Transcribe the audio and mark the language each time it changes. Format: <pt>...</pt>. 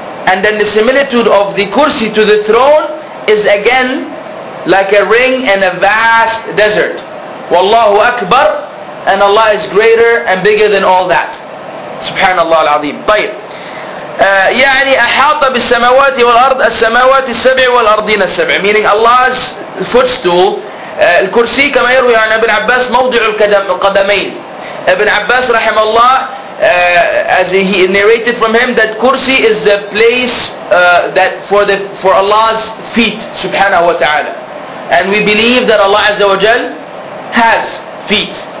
<en>And then the similitude of the kursi to the throne is again like a ring in a vast desert. Wallahu Akbar, and Allah is greater and bigger than all that.</en> <ar>Subhanallah al-Azim. طيب. يعني أحاط بالسماوات والأرض السماوات السبع والأرضين السبع.</ar> <en>Meaning Allah's footstool,</en> <ar>الكرسي كما يروي عن ابن عباس موضع القدمين.</ar> <en>Ibn Abbas</en> <ar>رحمه الله,</ar> <en>as he narrated from him, that kursi is the place that for Allah's feet, subhanahu wa ta'ala. And we believe that Allah Azza wa Jal has feet.</en>